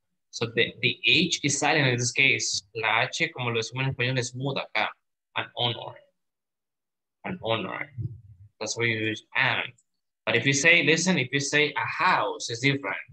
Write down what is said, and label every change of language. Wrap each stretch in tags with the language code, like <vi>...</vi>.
<en>So the H is silent in this case.</en> <es>La H, como lo decimos en español, es muda acá.</es> <en>An honor, that's why you use an. But if you say, listen, if you say a house, it's different.</en>